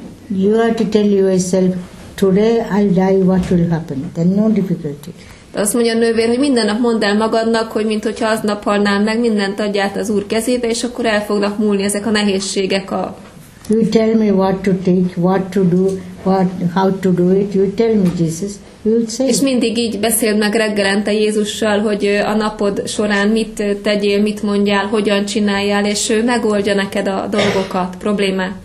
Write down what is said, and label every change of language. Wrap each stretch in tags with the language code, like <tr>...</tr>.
<en>You have to tell yourself, today I'll die, what will happen? Then no difficulty.</en> <hu>Azt mondja a nővér, hogy minden nap mondd el magadnak, hogy mintha aznap halnál meg, mindent adj át az Úr kezébe, és akkor el fognak múlni ezek a nehézségek.</hu> <en>You tell me what to think, what to do, how to do it, you tell me Jesus, you'll say.</en> <hu>És mindig így beszéld meg reggelente Jézussal, hogy a napod során mit tegyél, mit mondjál, hogyan csináljál, és ő megoldja neked a dolgokat, problémát.</hu>